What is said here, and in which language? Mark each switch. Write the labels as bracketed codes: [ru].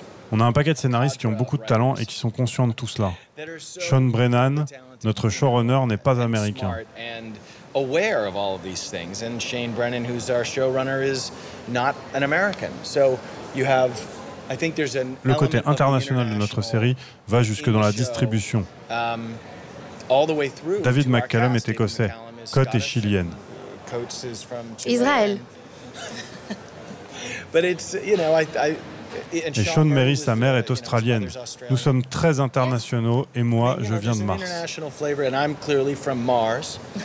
[fr] On a un paquet de scénaristes qui ont beaucoup de talent et qui sont conscients de tout cela. Sean Brennan, notre showrunner, n'est pas américain. [en] Aware of all of these things, and Shane Brennan, who's our showrunner, is not an American. So you have, I think there's an. [fr] Le côté international de notre série va jusque dans la distribution. [en] All the way through. [fr] David McCallum est écossais. Cote est chilienne. Coates [en] is from Israel. But it's, you know, I. [fr] Et Sean Mary, sa mère, est australienne. Nous sommes très internationaux, et moi, je viens de Mars. [en] International flavor, and I'm clearly from Mars.